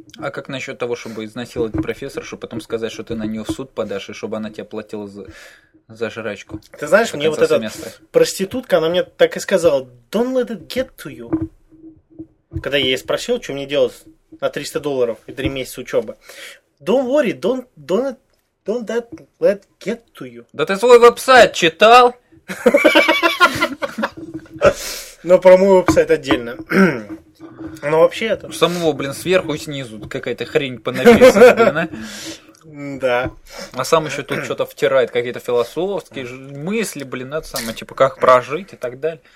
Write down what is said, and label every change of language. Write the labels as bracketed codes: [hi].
[ru] А как насчет того, чтобы изнасиловать профессора, чтобы потом сказать, что ты на нее в суд подашь, и чтобы она тебе платила за жрачку? Ты знаешь, мне вот эта проститутка, она мне так и сказала, [en] don't let it get to you. [ru] Когда я ей спросил, что мне делать на $300 и 3 месяца учебы. [en] Don't worry, don't let it get to you. [ru] Да ты свой веб-сайт читал? Но про мой веб-сайт отдельно. Ну, вообще это... Самого, блин, сверху и снизу какая-то хрень понаписана, блин, а? Да. А сам еще тут что-то втирает, какие-то философские мысли, блин, это самое, типа, как прожить и так далее.